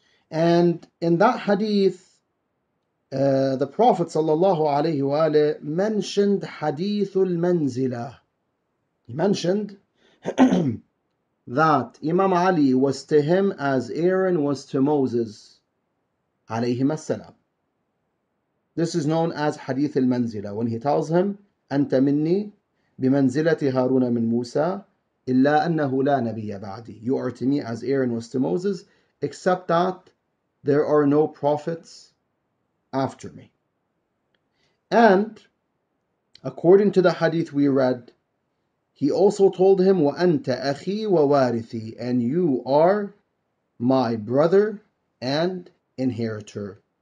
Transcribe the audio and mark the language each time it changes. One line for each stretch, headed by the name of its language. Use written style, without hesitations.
English: And in that hadith, the Prophet sallallahu alayhi wa alayhi mentioned hadithul manzilah. He mentioned that Imam Ali was to him as Aaron was to Moses alayhim as-salam. This is known as Hadith al-Manzila, when he tells him,
Arabic: أنت مني بمنزلة هارون من موسى إلا أنه لا نبي بعدي.
English: You are to me as Aaron was to Moses, except that there are no prophets after me. And according to the hadith we read, he also told him,
Arabic: وأنت أخي ووارثي,
English: and you are my brother and inheritor.